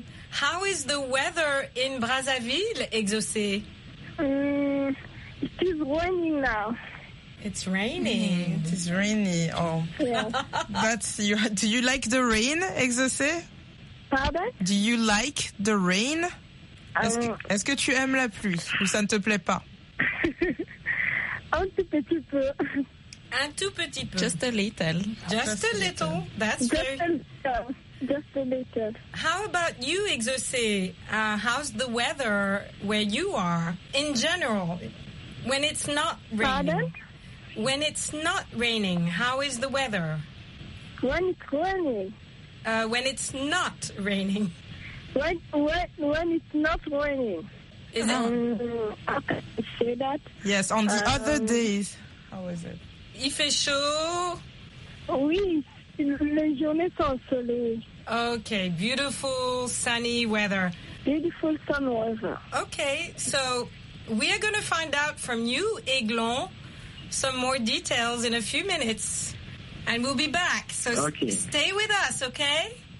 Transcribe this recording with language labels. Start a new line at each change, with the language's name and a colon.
English: How is the weather in Brazzaville, exaucé? It is raining now. It's raining. It is rainy. Oh. Yeah. Do you like the rain, exaucé? Pardon? Do you like the rain?
French: Est-ce que tu aimes la pluie ou ça ne te plaît pas? Un tout petit peu. Un tout petit peu.
English: Just a little. Just a little. That's just very... Just a little. How about you, exaucé? How's the weather where you are in general? When it's not raining? Pardon? When it's not raining, how is the weather? When it's raining. When it's not raining. When it's not raining. Is it? How can you say that? Yes, on the other days. How is it?
French: Il fait chaud. Oui. Les journées sont soleil.
English: Okay, beautiful sunny weather. Beautiful sun weather. Okay, so we are going to find out from you, Eglon, some more details in a few minutes, and we'll be back. So stay with us, okay?